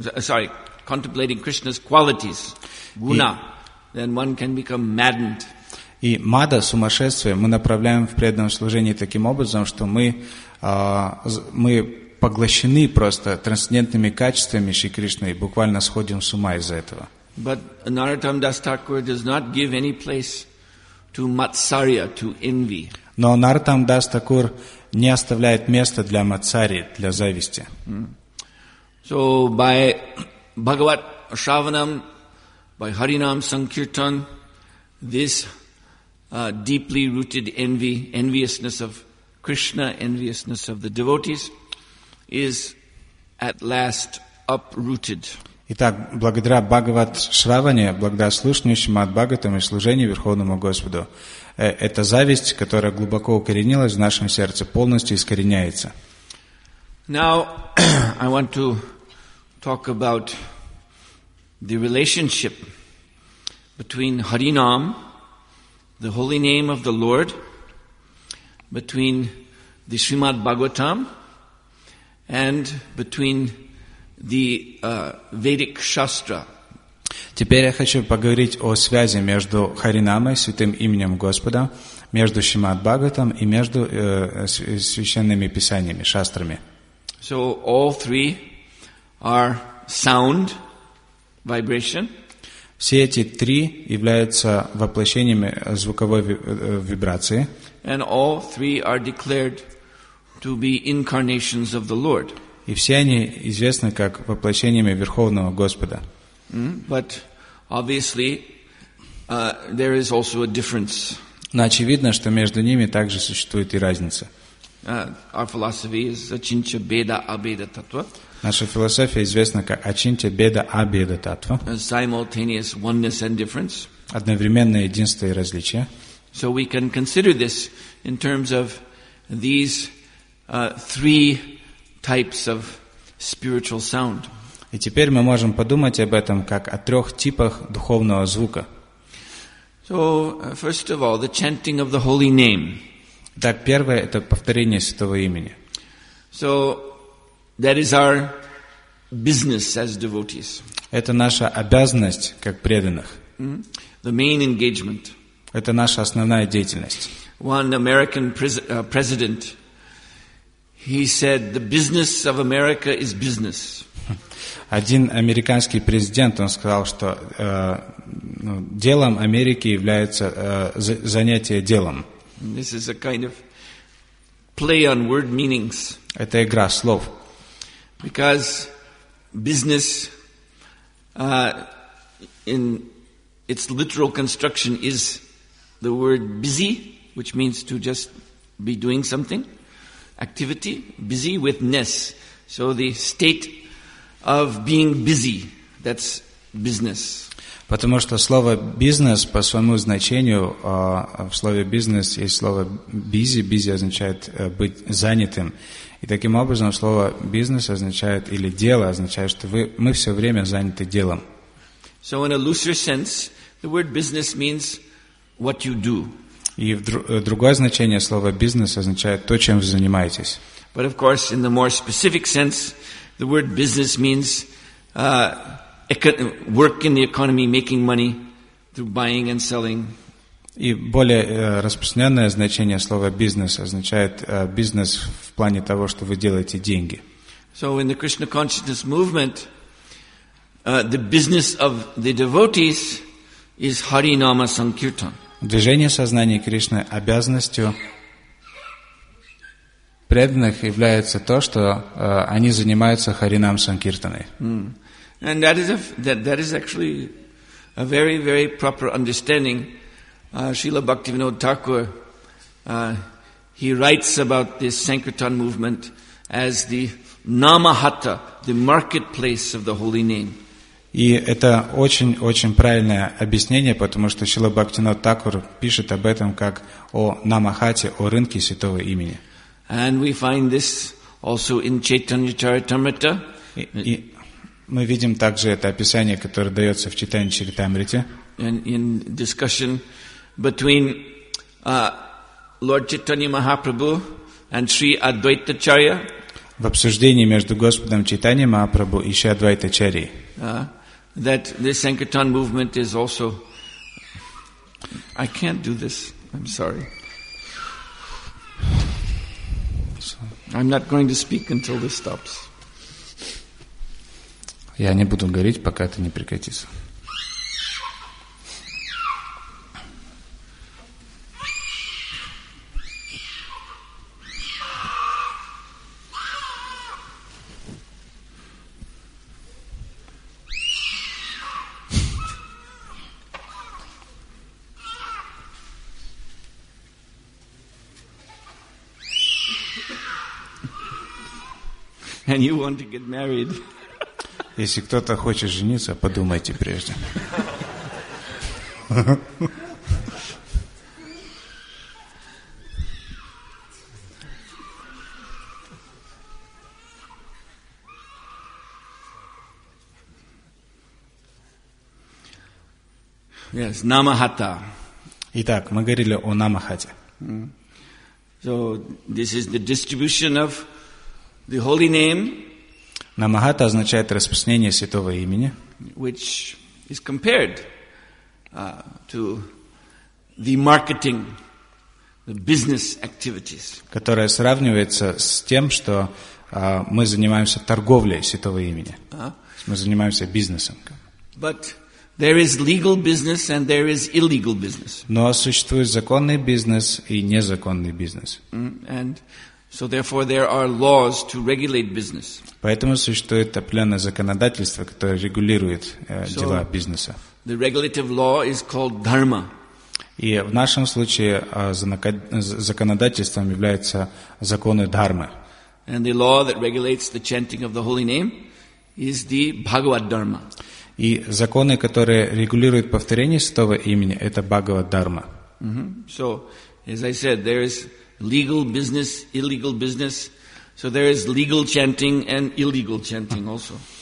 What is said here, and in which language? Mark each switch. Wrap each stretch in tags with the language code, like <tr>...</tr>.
<en>Sorry, contemplating Krishna's qualities, guna. Then one can become maddened.</en> <ru>И мада, сумасшествие, мы направляем в преданном служении таким образом, что мы поглощены просто трансцендентными качествами Шри Кришны и буквально сходим с ума из-за этого.</ru> <en>But Narottam Das Thakur does not give any place to matsarya, to envy.</en> <ru>Но Narottam Das Thakur не оставляет места для матсари, для зависти.</ru> <en>So by Bhagavat Shravanam, by Harinam Sankirtan, this deeply rooted envy, enviousness of Krishna, enviousness of the devotees, is at last uprooted.</en> <ru>Итак, благодаря Бхагават Шраване, благодаря слушанию Шримад Бхагаватам и служению Верховному Господу, эта зависть, которая глубоко укоренилась в нашем сердце, полностью искореняется.</ru> <en>Now I want to talk about the relationship between Harinam, the holy name of the Lord, between the Srimad Bhagavatam, and between the Vedic Shastra.</en> <ru>Теперь я хочу поговорить о связи между Харинамой, святым именем Господа, между Шримад Бхагаватам и между священными писаниями, шастрами.</ru> <en>So all three are sound vibration.</en> <ru>Все эти три являются воплощениями звуковой вибрации.</ru> <en>And all three are declared to be incarnations of the Lord.</en> <ru>И все они известны как воплощениями Верховного Господа.</ru> <en>But obviously, there is also a difference.</en> <ru>Но очевидно, что между ними также существует и разница.</ru> <en>Our philosophy is achintya beda abeda tattva.</en> <ru>Наша философия известна как ачинтья беда абеда таттва.</ru> <en>Simultaneous oneness and difference.</en> <ru>Одновременное единство и различие.</ru> <en>So we can consider this in terms of these three types of spiritual sound.</en> <ru>И теперь мы можем подумать об этом как о трех типах духовного звука.</ru> <en>So, first of all, the chanting of the holy name.</en> <ru>Так, первое — это повторение святого имени.</ru> <en>So, that is our business as devotees.</en> <ru>Это наша обязанность как преданных.</ru> <en>The main engagement.</en> <ru>Это наша основная деятельность.</ru> <en>One American president, he said, the business of America is business.</en> <ru>Один американский президент, он сказал, что делом Америки является занятие делом.</ru> <en>This is a kind of play on word meanings.</en> <ru>Это игра слов.</ru> <en>Because business in its literal construction is the word busy, which means to just be doing something, activity, busy with ness. So the state of being busy, that's business.</en> <ru>Потому что слово business по своему значению, в слове business есть слово busy. Busy означает быть занятым. И таким образом слово бизнес означает, или дело означает, что мы все время заняты делом.</ru> <en>So in a looser sense, the word business means what you do.</en> <ru>И другое значение слова бизнес означает то, чем вы занимаетесь.</ru> <en>But of course, in the more specific sense, The word business means work in the economy, making money through buying and selling.</en> <ru>И более распространенное значение слова «бизнес» означает бизнес в плане того, что вы делаете деньги.</ru> <en>So in the Krishna consciousness movement, the business of the devotees is Hari Nama Sankirtan.</en> <ru>Движение сознания Кришны обязанностью преданных является то, что они занимаются Харинам Санкиртаной.</ru> <en>And that is actually a very, very proper understanding. Srila Bhaktivinoda Thakur, he writes about this Sankirtan movement as the Namahatta, the marketplace of the holy name.</en> <ru>И это очень-очень правильное объяснение, потому что Шрила Бхактивинода Такур пишет об этом как о Намахате, о рынке святого имени.</ru> <en>And we find this also in Chaitanya Charitamrita.</en> <ru>И мы видим также это описание, которое дается в Чайтанья Чаритамрите.</ru> <en>In discussion between Lord Chaitanya Mahaprabhu and Sri Advaita Charya.</en> <ru>В обсуждении между Господом Чайтанья Махапрабху и Шри Адвайта Чарьей.</ru> <en>That the Sankirtan movement is also... I can't do this. I'm sorry. I'm not going to speak until this stops.</en> <ru>Я не буду говорить, пока это не прекратится.</ru> <en>And you want to get married.</en> <ru>Если кто-то хочет жениться, подумайте прежде.</ru> <en>Yes, Namahata.</en> <ru>Итак, мы говорили о Намахате.</ru> <en>So this is the distribution of the holy name.</en> <ru>Намахата означает распространение святого имени,</ru> <en>which is compared to the marketing, the business activities.</en> <ru>Которая сравнивается с тем, что мы занимаемся торговлей святого имени. Мы занимаемся бизнесом.</ru> <en>But there is legal business and there is illegal business.</en> <ru>Но существует законный бизнес и незаконный бизнес.</ru> <en>And so therefore there are laws to regulate business.</en> <ru>Поэтому существует определенное законодательство, которое регулирует дела бизнеса.</ru> <en>The regulative law is called dharma.</en> <ru>И в нашем случае законодательством является законы дхармы.</ru> <en>And the law that regulates the chanting of the holy name is the Bhagavad Dharma.</en> <ru>И законы, которые регулируют повторение святого имени, это Бхагавад Дхарма.</ru> <en>So, as I said, there is legal business, illegal business. So there is legal chanting and illegal chanting also.</en>